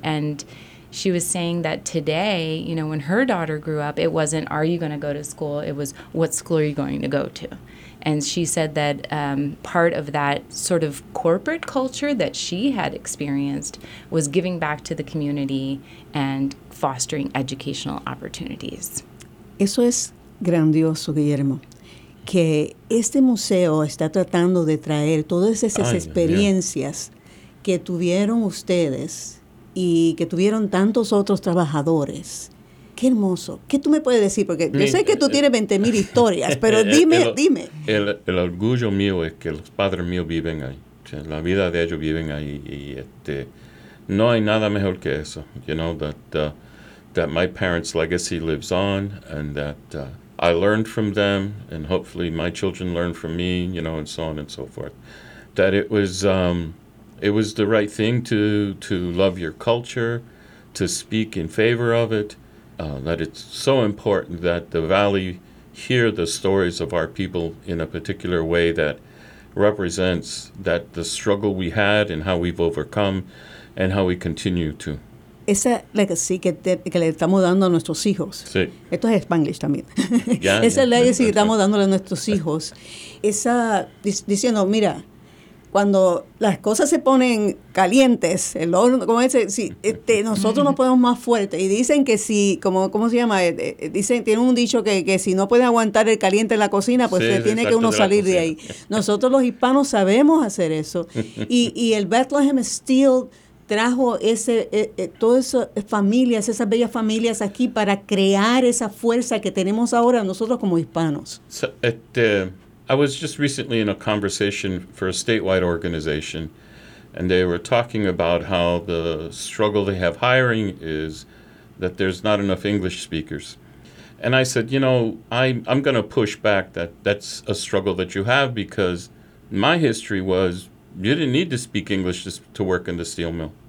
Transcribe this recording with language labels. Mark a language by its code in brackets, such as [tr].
[en] And she was saying that today, you know, when her daughter grew up, it wasn't, are you going to go to school? It was, what school are you going to go to? And she said that part of that sort of corporate culture that she had experienced was giving back to the community and fostering educational opportunities. [es] Eso es grandioso, Guillermo. Que este museo está tratando de traer todas esas experiencias que tuvieron ustedes y que tuvieron tantos otros trabajadores. Qué hermoso. ¿Qué tú me puedes decir? Porque yo sé que tú tienes 20,000 historias, pero dime. El orgullo mío es que los padres míos viven ahí. O sea, la vida de ellos viven ahí. Y no hay nada mejor que eso. [en] You know, that my parents' legacy lives on and that I learned from them and hopefully my children learn from me, you know, and so on and so forth. That it was the right thing to love your culture, to speak in favor of it. That it's so important that the Valley hear the stories of our people in a particular way that represents that the struggle we had and how we've overcome and how we continue to. [es] Esa legacy que le estamos dando a nuestros hijos. Sí. Esto es Spanglish también. Esa legacy que estamos dándole a nuestros hijos. Esa, diciendo, mira, cuando las cosas se ponen calientes, el horno, como ese, si, nosotros nos ponemos más fuertes. Y dicen que si, como, ¿cómo se llama? Dicen, tienen un dicho que si no puedes aguantar el caliente en la cocina, pues se tiene que uno salir de ahí. Nosotros los hispanos sabemos hacer eso. Y el Bethlehem Steel trajo todas esas familias, esas bellas familias aquí para crear esa fuerza que tenemos ahora nosotros como hispanos. [en] I was just recently in a conversation for a statewide organization, and they were talking about how the struggle they have hiring is that there's not enough English speakers. And I said, you know, I'm going to push back that that's a struggle that you have, because my history was you didn't need to speak English to work in the steel mill.